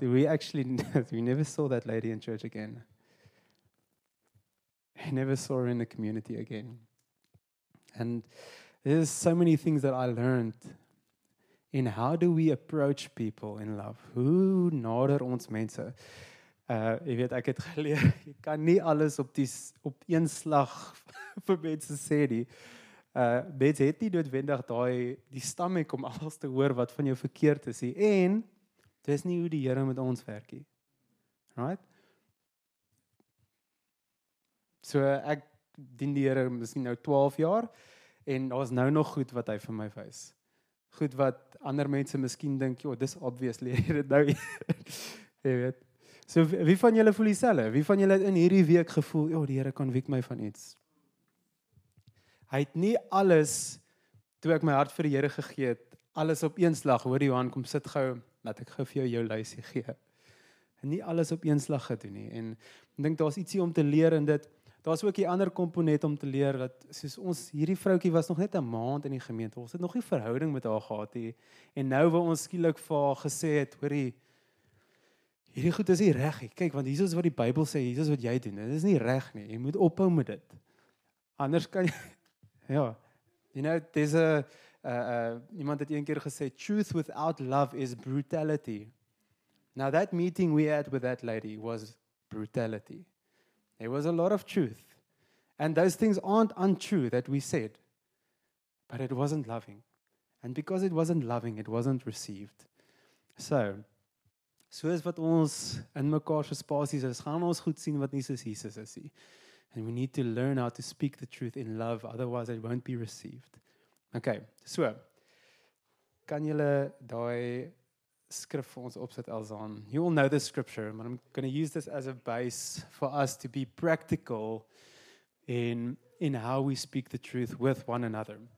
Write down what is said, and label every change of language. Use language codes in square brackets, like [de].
[en] We actually we never saw that lady in church again. We never saw her in the community again. And there's so many things that I learned in how do we approach people in love. [af] Hoe nader ons mense? Jy weet, ek het geleer, jy kan nie alles op een slag vir mense sê nie. Mense het nie noodwendig die stomach om alles te hoor wat van jou verkeerd is. En dis nie hoe die Here met ons werk nie. Right? So ek dien die Here misschien nou 12 jaar, en daar is nou nog goed wat hy vir my wys. Goed wat ander mense miskien dink, joh, dis obviously, jy het nou, jy weet. So, wie van julle voel dieselfde? Wie van julle het in hierdie week gevoel, joh, die Here konvik my van iets? Hy het nie alles, toe ek my hart vir die Here gegee het, alles op een slag, hoor Johan, kom sit gauw, laat ek gauw vir jou lysie gee. En nie alles op een slag gedoen nie. En ek dink daar is ietsie om te leer in dit, daar is ook die ander komponent om te leer, dat soos ons, hierdie vroukie was nog net 'n maand in die gemeente, ons het nog nie verhouding met haar gehad, die, en nou wil ons skielik vir haar gesê het, hoorie, hierdie goed is nie reg, kyk, want Jesus wat die Bybel sê, Jesus wat jy doen, dit is nie reg nie, jy moet ophou met dit, anders kan jy, ja, [en] you know, there's [af] iemand het een keer gesê, [en] truth without love is brutality, Now that meeting we had with that lady was brutality. There was a lot of truth. And those things aren't untrue that we said. But it wasn't loving. And because it wasn't loving, it wasn't received. [af] So, soos wat ons in mekaar se spasies is, gaan ons goed sien wat nie soos Jesus is nie. [en] And we need to learn how to speak the truth in love, otherwise it won't be received. [af] Okay, so, kan julle daai skrif vir ons opsit, Elzaan? [en] You all know this scripture, but I'm going to use this as a base for us to be practical in how we speak the truth with one another.